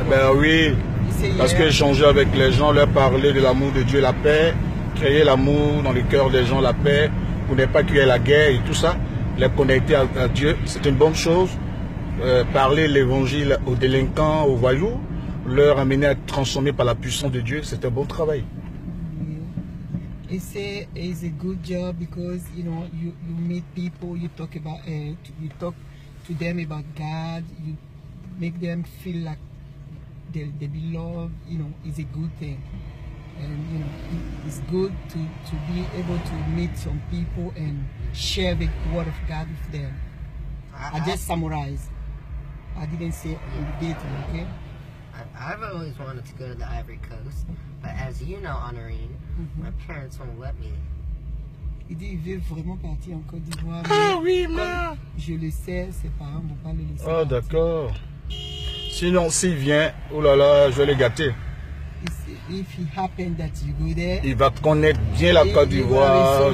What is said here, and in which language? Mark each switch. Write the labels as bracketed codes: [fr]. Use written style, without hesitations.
[fr] Ben oui, parce que échanger avec les gens, leur parler de l'amour de Dieu, la paix, créer l'amour dans le cœur des gens, la paix, pour ne pas qu'il y ait la guerre et tout ça, les connecter à Dieu, c'est une bonne chose. Parler l'évangile aux délinquants, aux voyous, leur amener à être transformés par la puissance de Dieu, c'est un bon travail. [en] He say it's a good job because you know you meet people, you talk about it, you talk to them about God, you make them feel like they belong, you know, it's a good thing. And you know, it's good to be able to meet some people and share the word of God with them. I just summarized. I didn't say in detail, okay? I've always wanted to go to the Ivory Coast, but as you know, Honorine, my parents won't let me. [fr] Il dit, il veut vraiment partir en Côte d'Ivoire. Ah oui, ma! Je le sais, ses parents vont pas le laisser. Oh, d'accord. Sinon, s'il vient, oh là là, je vais le gâter. [en] If it happens that you go there, [fr] il va connaître bien la Côte d'Ivoire.